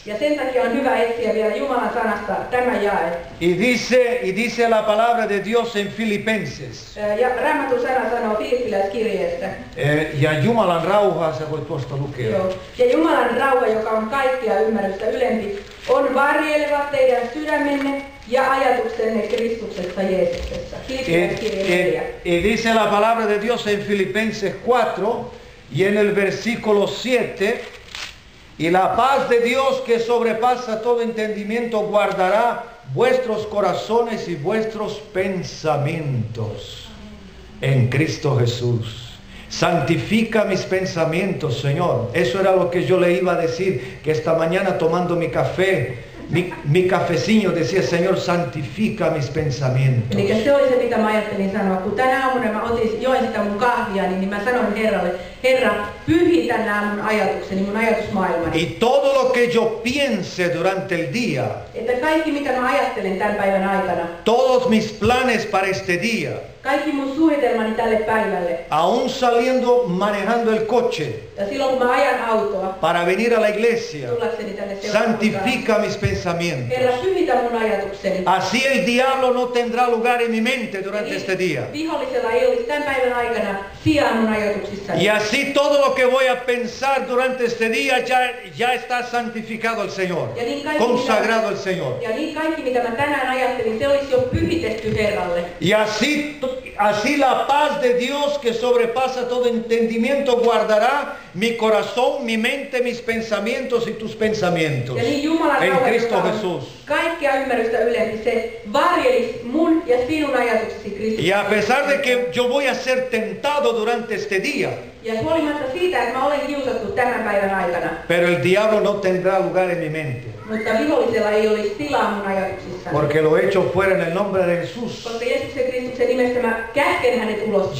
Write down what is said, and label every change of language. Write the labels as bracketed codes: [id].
[fi] Ja sen takia on hyvä etsiä vielä Jumalan sanasta tämä jae. [es] Y dice la palabra de Dios en Filipenses. [fi] Ja Raamatun sana sanoo Filippiläiskirjeestä. Ja Jumalan rauha, sä voit tuosta lukea. Joo. Ja Jumalan rauha, joka on kaikkea ymmärrystä ylempi, on varjeleva teidän sydämenne ja ajatuksenne Kristuksessa Jeesuksessa. Filippiläiskirje 4. [es] Y dice la palabra de Dios en Filipenses 4. Y en el versículo 7, y la paz de Dios que sobrepasa todo entendimiento guardará vuestros corazones y vuestros pensamientos en Cristo Jesús. Santifica mis pensamientos, Señor. Eso era lo que yo le iba a decir, que esta mañana tomando mi café, mi cafecillo, decía: Señor, santifica mis pensamientos. [fi] Eli se oli se, mitä mä ajattelin sanoa. Kun tänä aamuna mä join sitä mun kahvia, niin mä sanoin Herralle: Herra, pyhitä nämä mun ajatukseni, mun ajatusmaailmani. [es] Y todo lo que yo piense durante el día. [fi] Että kaikki, mitä mä ajattelen tämän päivän aikana. [es] Todos mis planes para este día. [fi] Kaikki mun suunnitelmani tälle päivälle. [es] Aún saliendo manejando el coche. [fi] Ja silloin, kun mä ajan autoa. [es] Para venir a la iglesia. [fi] Tullakseni tänne seuraan. [es] Santifica mis pensamientos. [fi] Herra, pyhitä mun ajatukseni. [es] Así el diablo no tendrá lugar en mi mente durante este día. [fi] Vihollisella ei olisi tämän päivän aikana sijaan mun ajatuksissani. [es] Así todo lo que voy a pensar durante este día ya está santificado al Señor, [fi] ja niin kaikki, [es] consagrado al Señor. [fi] Ja niin kaikki, mitä mä tänään ajattelin, se olisi jo pyhitetty Herralle. [es] Y así la paz de Dios que sobrepasa todo entendimiento guardará mi corazón, mi mente, mis pensamientos y tus pensamientos. [fi] Ja niin Jumalan rauha, [es] en Cristo Jesús. [fi] Kaikkea ymmärrystä ylempi, se varjelis mun ja sinun ajatuksesi, Kristus. [es] Y a pesar de que yo voy a ser tentado durante este día. [fi] Ja huolimatta siitä, että mä olen kiusattu tämän päivän aikana. [es] Pero el diablo no tendrá lugar en mi mente. [fi] Mutta vihollisella ei olisi tilaa mun ajatuksissa. [es] Porque lo he hecho fuera en el nombre de Jesús. [fi] Koska Jeesuksen Kristuksen nimestä mä käsken hänet ulos.